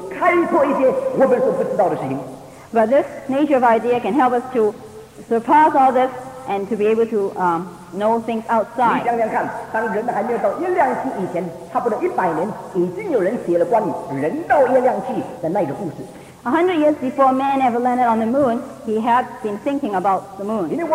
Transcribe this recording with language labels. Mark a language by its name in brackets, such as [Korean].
[Chinese] 但心性可以超过这个范围，去开拓一些我们所不知道的事情。 [English] But this nature of idea can help us to surpass all this and to be able to know things outside. [Chinese] 你想想看，当人还没有到月亮去以前，差不多100年，已经有人写了关于人到月亮去的那个故事。 [English] 100 years before man ever landed on the moon, he had been thinking about the moon.